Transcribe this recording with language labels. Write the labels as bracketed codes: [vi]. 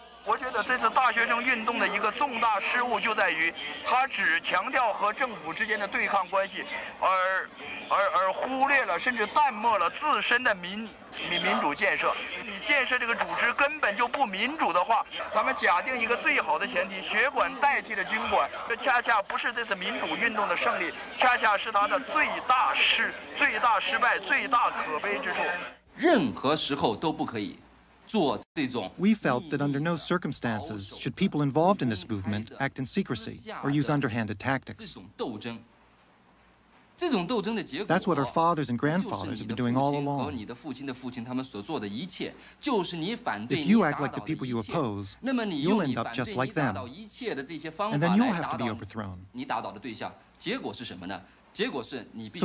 [en] I think that this student movement's biggest mistake is that it only emphasizes the relationship between the government and the students, and ignores or even dismisses its own democratic goals. [zh] 民主建设，你建设这个组织根本就不民主的话，咱们假定一个最好的前提，血管代替了军管，这恰恰不是这次民主运动的胜利，恰恰是它的最大失败，最大可悲之处。任何时候都不可以做这种。 [en] We felt that under no circumstances should people involved in this movement act in secrecy or use underhanded tactics. [zh] 这种斗争。这种斗争的结果 [en] That's what our fathers and grandfathers have been doing all along. [zh] 你的父亲的父亲他们所做的一切就是你反对 [en] If you act like the people you oppose, you'll end up just like them. And then you'll have to be overthrown. [zh] 你打倒的对象结果是什么呢结果是你必须